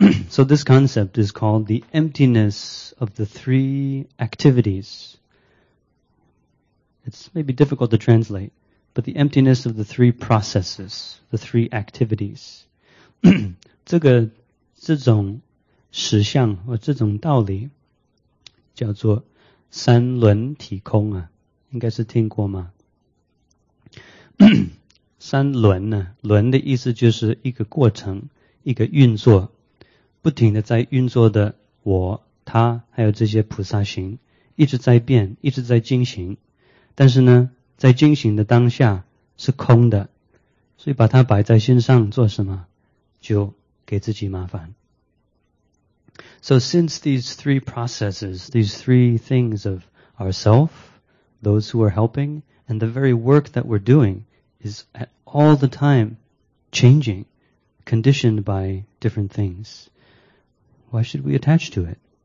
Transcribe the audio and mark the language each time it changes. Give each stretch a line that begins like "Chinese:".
English: So this concept is called the emptiness of the three activities. It's maybe difficult to translate, but the emptiness of the three processes, the three activities.
Chinese: 这种实相或这种道理 叫做三轮体空啊, 应该是听过吗? 三轮呢, 轮的意思就是一个过程, 一个运作, 不停地在运作的我, 他, 还有这些菩萨行, 一直在变, 一直在进行, 但是呢, 在进行的当下, 是空的, 所以把它摆在心上做什么, 就给自己麻烦。
English: So since these three processes, these three things of ourself, those who are helping, and the very work that we're doing is at all the time changing, conditioned by different things, why should we attach to it?